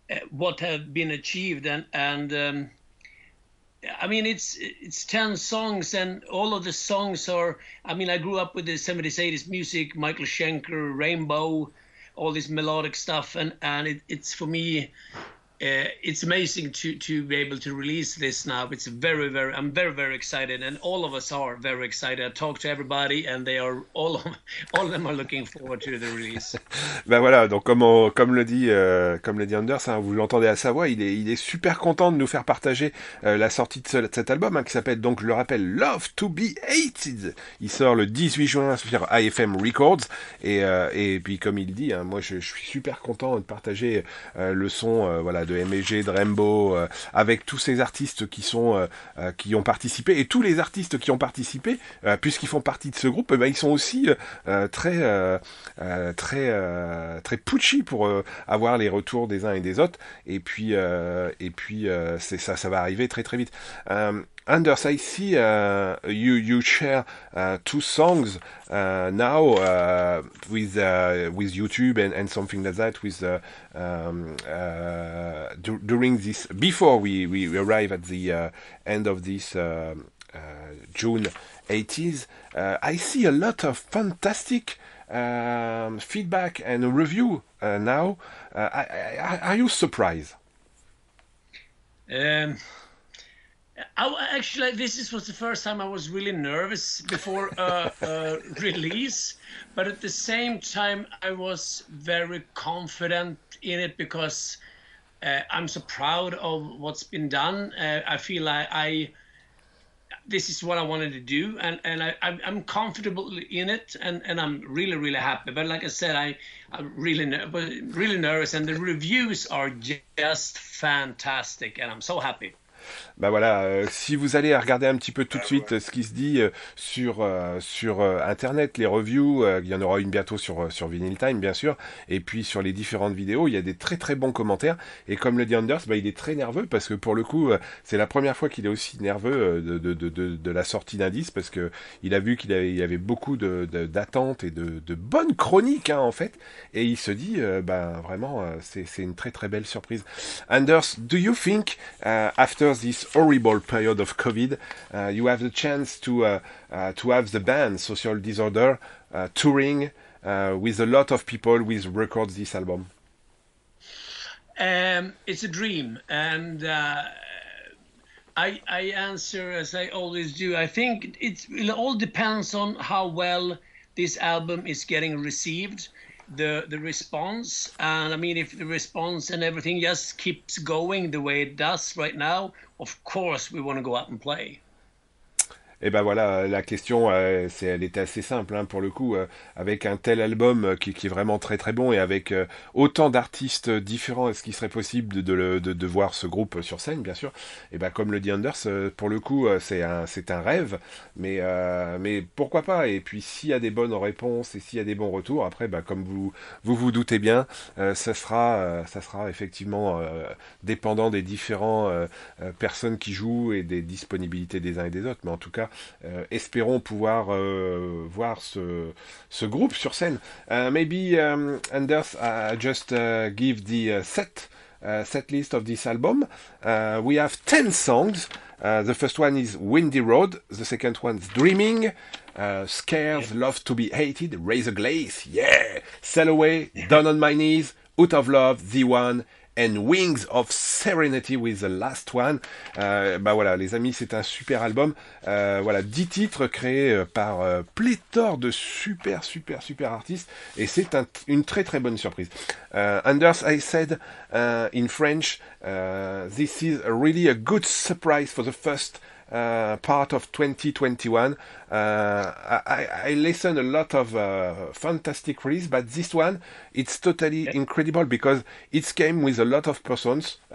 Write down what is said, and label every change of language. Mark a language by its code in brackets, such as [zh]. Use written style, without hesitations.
[en] What have been achieved, and I mean it's 10 songs, and all of the songs are, I mean, I grew up with the 70s, 80s music, Michael Schenker, Rainbow, all this melodic stuff, and it's for me It's amazing to be able to release this now. It's very, very, I'm very, very excited, and all of us are very excited. I talked to everybody, and they are all of them are looking forward to the release. [fr] Ben voilà, donc comme le dit Anders, hein, vous l'entendez à sa voix, il est super content de nous faire partager la sortie de cet album, hein, qui s'appelle, donc je le rappelle, Love to be Hated. Il sort le 18 juin sur AFM Records, et puis comme il dit, hein, moi je suis super content de partager le son voilà, de MEG, de Rainbow, avec tous ces artistes qui ont participé, et tous les artistes qui ont participé, puisqu'ils font partie de ce groupe, eh ben, ils sont aussi très punchy pour avoir les retours des uns et des autres, et puis c'est ça, ça va arriver très très vite. [en] Anders, I see you share two songs now with YouTube and something like that with during this, before we arrive at the end of this June 80s, I see a lot of fantastic feedback and review now. Are you surprised? Actually, this was the first time I was really nervous before a release, but at the same time I was very confident in it because I'm so proud of what's been done. I feel like this is what I wanted to do, and I'm comfortable in it, and I'm really, really happy. But like I said, I'm really nervous, and the reviews are just fantastic, and I'm so happy. [fr] Ben voilà, si vous allez regarder un petit peu tout de suite ce qui se dit sur Internet, les reviews, il y en aura une bientôt sur Vinylestimes, bien sûr, et puis sur les différentes vidéos, il y a des très très bons commentaires, et comme le dit Anders, ben, il est très nerveux, parce que pour le coup, c'est la première fois qu'il est aussi nerveux de la sortie d'un disque, parce qu'il a vu qu'il y avait beaucoup d'attentes et de bonnes chroniques, hein, en fait, et il se dit, ben vraiment, c'est une très très belle surprise. [en] Anders, do you think, after this horrible period of COVID, you have the chance to have the band Social Disorder touring with a lot of people with records this album? It's a dream, and I answer as I always do. I think it all depends on how well this album is getting received, the response, and I mean if the response and everything just keeps going the way it does right now, of course we want to go out and play. [fr] Et ben voilà, la question, elle était assez simple, hein, pour le coup, avec un tel album qui est vraiment très très bon, et avec autant d'artistes différents, est-ce qu'il serait possible de voir ce groupe sur scène, bien sûr. Et ben comme le dit Anders, pour le coup, c'est un rêve, mais pourquoi pas. Et puis s'il y a des bonnes réponses et s'il y a des bons retours, après, ben, comme vous doutez bien, ça sera effectivement dépendant des différentes personnes qui jouent et des disponibilités des uns et des autres, mais en tout cas, espérons pouvoir voir ce groupe sur scène. [en] Maybe Anders, just give the set list of this album. We have 10 songs. The first one is Windy Road. The second one is Dreaming. Scares, yeah. Love to be Hated, Raise a Glass, yeah. Sail Away, yeah. Down on My Knees, Out of Love, The One. And Wings of Serenity with the last one. [fr] Bah voilà, les amis, c'est un super album. Voilà, 10 titres créés par pléthore de super, super, super artistes. Et c'est une très, très bonne surprise. [en] Anders, I said in French, this is really a good surprise for the first part of 2021. I listen a lot of fantastic releases, but this one, it's totally incredible because it came with a lot of persons.